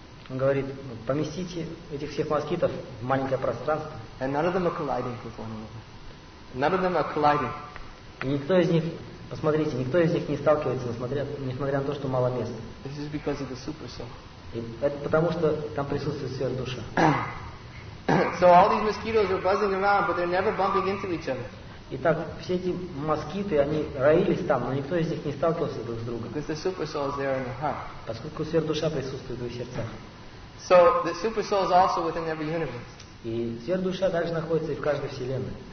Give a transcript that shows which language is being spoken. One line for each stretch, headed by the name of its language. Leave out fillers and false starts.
Russian: Он говорит, поместите этих всех москитов в маленькое пространство.
English: And none of them are colliding with one another. None of them are colliding.
Russian: Никто из них, посмотрите, никто из них не сталкивается, несмотря на то, что мало места.
English: This is because of the super soul.
Russian: Это потому, что там присутствует сверхдуша.
English: So all these mosquitoes are buzzing around, but they're never bumping into each other.
Russian: Итак, все эти москиты, они роились там, но никто из них не сталкивался друг с другом.
English: Because the super soul is there in the heart.
Russian: Поскольку сверхдуша присутствует в их сердцах.
English: So the super soul is also within every universe.
Russian: И сверхдуша также находится и в каждой вселенной.